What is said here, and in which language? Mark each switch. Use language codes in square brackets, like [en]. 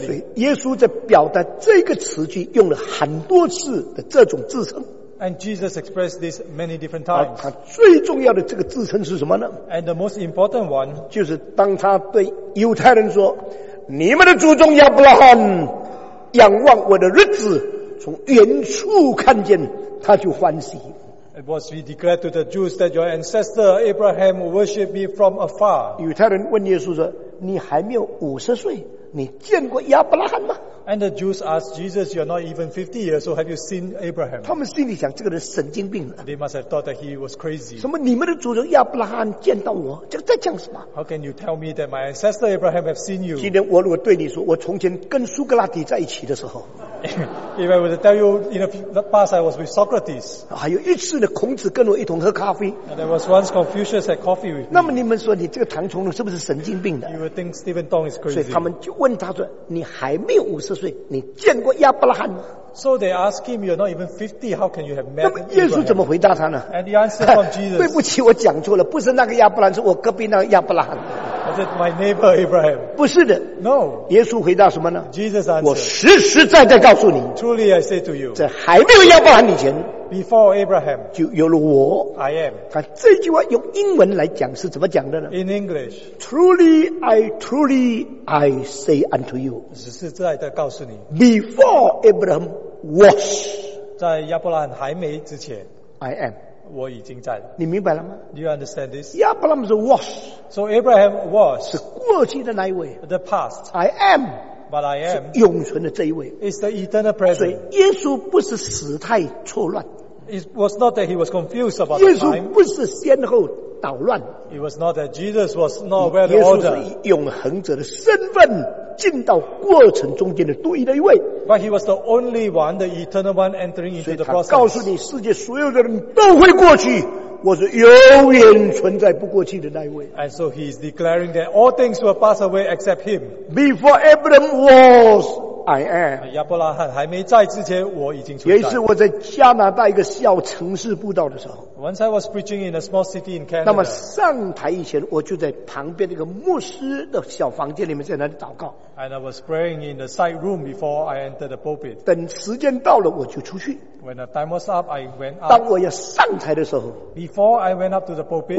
[zh] 所以耶稣在表达这个词句用了很多次的这种自称。 [en] And Jesus expressed this many different times. [zh] 他最重要的这个自称是什么呢? [en] And the most important one, [zh] 就是当他对犹太人说, 你们的祖宗亚伯拉罕, 仰望我的日子, 从远处看见, 他就欢喜。 [en] It was he declared to the Jews that your ancestor Abraham worshipped me from afar. [zh] 犹太人问耶稣说, 你还没有五十岁, 你见过亚伯拉罕吗？ [en] And the Jews asked Jesus, you're not even 50 years, so have you seen Abraham? [zh] 他们心里想这个人神经病了。 [en] They must have thought that he was crazy. [zh] 什么你们的祖宗亚伯拉罕见到我，这个在讲什么？ [en] How can you tell me that my ancestor Abraham have seen you? [zh] 今天我如果对你说，我从前跟苏格拉底在一起的时候。 [en] If I were to tell you, in the past I was with Socrates. [zh] 还有一次呢，孔子跟我一同喝咖啡。 [en] And there was once Confucius had coffee with me. [zh] 那么你们说你这个唐崇荣是不是神经病的？ [en] You would think Stephen Tong is crazy. [zh] 所以他们就问他说，你还没有五十岁，你见过亚伯拉罕吗？ [en] So they ask him, you're not even 50, how can you have met Abraham? [zh] 那么耶稣怎么回答他呢？ [en] And the answer from Jesus. [zh] 对不起，我讲错了，不是那个亚伯拉罕，是我隔壁那个亚伯拉罕。 [en] Was it my neighbor Abraham? [zh] 不是的。 [en] No. [zh] 耶稣回答什么呢？ [en] Jesus answered. [zh] 我实实在在告诉你。 [en] Truly I say to you. [zh] 在还没有亚伯拉罕以前。 [en] Before Abraham. [zh] 就有了我。 [en] I am. [zh] 他这句话用英文来讲是怎么讲的呢？ [en] In English. Truly I say unto you. [zh] 实实在在告诉你。 [en] Before Abraham was. [zh] 在亚伯拉罕还没之前。 [en] I am. [zh] 我已经在了。你明白了吗？ [en] Do you understand this? Abraham was. So Abraham was. [zh] 是过去的那一位。 [en] The past. I am. But I am. [zh] 是永存的这一位。 [en] It's the eternal present. [zh] 所以耶稣不是时态错乱。 [en] It was not that he was confused about the time. [zh] 耶稣不是先后捣乱。 [en] It was not that Jesus was not aware of the order. [zh] 耶稣是以永恒者的身份进到过程中间的独一的一位。 [en] But he was the only one, the eternal one entering into the process. [zh] 所以他告诉你，世界所有的人都会过去，我是永远存在不过去的那一位。 [en] And so he is declaring that all things will pass away except him. Before Abraham was. I am. [zh] 亚伯拉罕还没在之前，我已经存在。有一次我在加拿大一个小城市布道的时候。 [en] Once I was preaching in a small city in Canada. [zh] 那么上台以前，我就在旁边那个牧师的小房间里面在那里祷告。 [en] And I was praying in the side room before I entered the pulpit. [zh] 等时间到了，我就出去。 [en] When the time was up, I went up. [zh] 当我要上台的时候。 [en] Before I went up to the pulpit.